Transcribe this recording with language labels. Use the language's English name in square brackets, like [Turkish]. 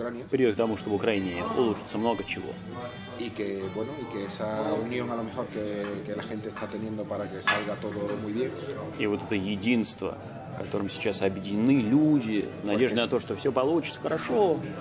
[Russian] Приведет к тому, что в Украине улучшится много чего. [Spanish] Y que bueno, y que esa unión a lo mejor que la gente está teniendo para que salga todo muy bien. [Russian] И вот это единство, которым сейчас объединены люди, надежда на то, что все получится хорошо.